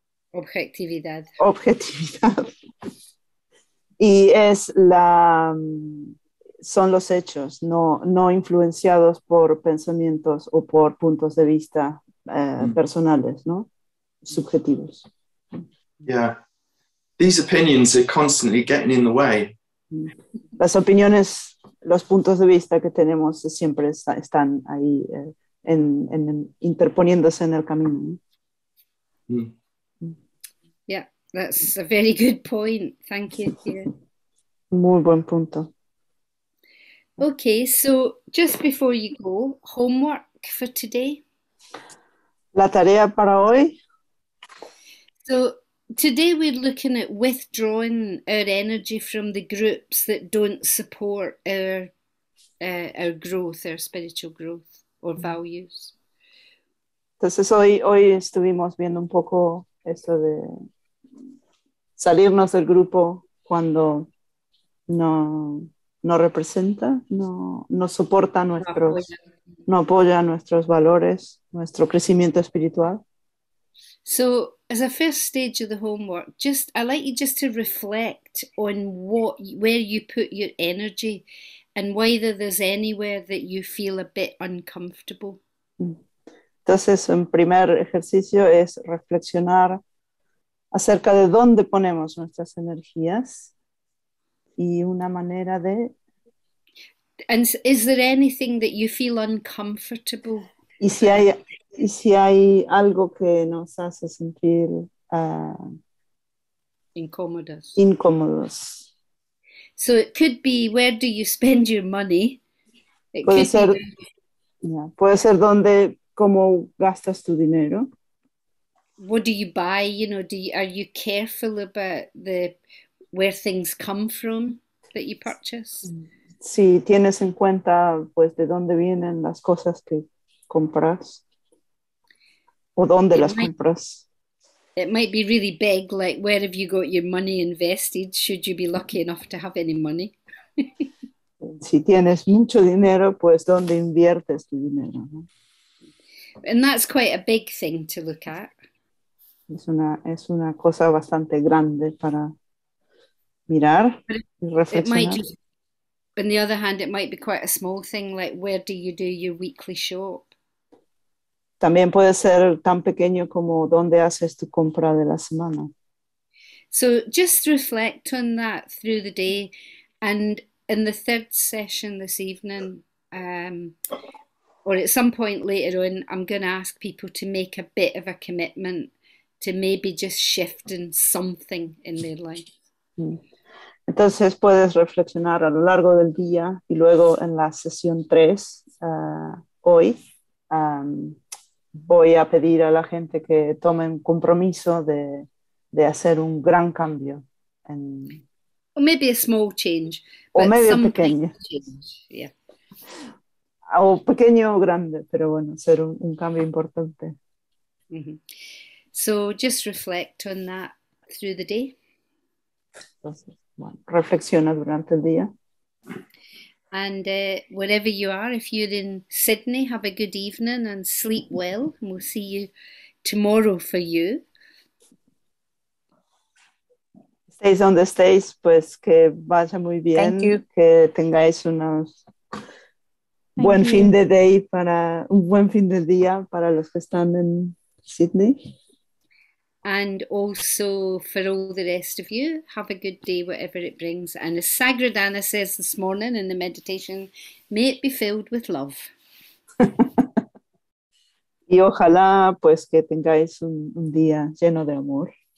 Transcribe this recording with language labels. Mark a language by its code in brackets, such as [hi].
[es] objetividad. Objetividad. Y es la, son los hechos, no influenciados por pensamientos o por puntos de vista personales, ¿no? Subjetivos. [en] Yeah. These opinions are constantly getting in the way. [es] Las opiniones, los puntos de vista que tenemos siempre están ahí en interponiéndose en el camino. [en] Yeah, that's a very good point. Thank you. [es] Muy buen punto. [en] Okay, so just before you go, homework for today. [es] La tarea para hoy. [en] So today we're looking at withdrawing our energy from the groups that don't support our growth, our spiritual growth or values. [es] Entonces hoy estuvimos viendo un poco esto de salirnos del grupo cuando no representa, no soporta nuestros, no apoya nuestros valores, nuestro crecimiento espiritual. [en] So as a first stage of the homework, just I'd like you just to reflect on what, where you put your energy and whether there's anywhere that you feel a bit uncomfortable. [es] Entonces, un primer ejercicio es reflexionar acerca de dónde ponemos nuestras energías y una manera de... [en] And is there anything that you feel uncomfortable? [es] Y si hay algo que nos hace sentir incómodos. [en] So it could be where do you spend your money? [es] Puede ser donde, cómo gastas tu dinero. [en] What do you buy? You know, are you careful about the where things come from that you purchase? [es] Si tienes en cuenta, pues, de dónde vienen las cosas que compras. ¿O dónde las compras? [en] It might be really big, like where have you got your money invested? Should you be lucky enough to have any money? [es] Si tienes mucho dinero, pues ¿dónde inviertes tu dinero? [en] And that's quite a big thing to look at. [es] Es una cosa bastante grande para mirar y reflexionar. [en] On the other hand, it might be quite a small thing, like where do you do your weekly shop? [es] También puede ser tan pequeño como dónde haces tu compra de la semana. [en] So just reflect on that through the day, and in the third session this evening, or at some point later on, I'm going to ask people to make a bit of a commitment to maybe just shifting something in their life. [es] Entonces puedes reflexionar a lo largo del día y luego en la sesión 3 hoy. Voy a pedir a la gente que tomen compromiso de hacer un gran cambio. [en] O maybe a small change. [es] O medio pequeño. [en] Yeah. [es] O pequeño o grande, pero bueno, ser un cambio importante. Mm-hmm. [en] So just reflect on that through the day. [es] Entonces, bueno, reflexiona durante el día. [en] And wherever you are, if you're in Sydney, have a good evening and sleep well. And we'll see you tomorrow for you. Stays on the stage, [es] pues que vaya muy bien. [en] Thank you. [es] Que tengáis unos buen fin de day para un buen fin de día para los que están en Sydney. [en] And also for all the rest of you, have a good day, whatever it brings. And as Sagradana says this morning in the meditation, may it be filled with love. [es] Y ojalá pues que tengáis un día lleno de amor.